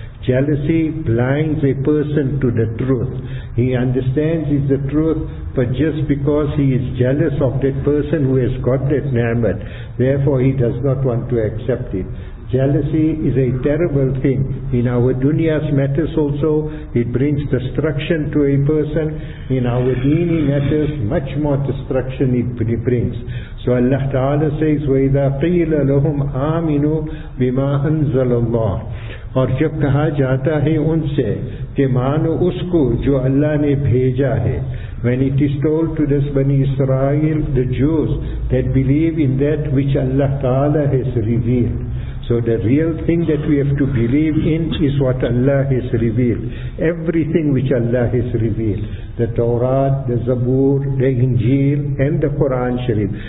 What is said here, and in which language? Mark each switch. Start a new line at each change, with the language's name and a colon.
English: Jealousy blinds a person to the truth. He understands it's the truth, but just because he is jealous of that person who has got that ni'mat, therefore he does not want to accept it. Jealousy is a terrible thing. In our dunya's matters also, it brings destruction to a person. In our deeni matters, much more destruction it brings. So Allah Ta'ala says,
Arabic: وَإِذَا قِيلَ لَهُمْ آمِنُوا بِمَا أَنزَلَ اللَّهُ.
Urdu: اور جب کہا جاتا ہے ان سے کہ مانو اس کو جو اللہ نے بھیجا ہے.
English: When it is told to this Bani Israel, the Jews, that believe in that which Allah Ta'ala has revealed. So the real thing that we have to believe in is what Allah has revealed. Everything which Allah has revealed. The Torah, the Zabur, the Injil, and the Quran Sharif.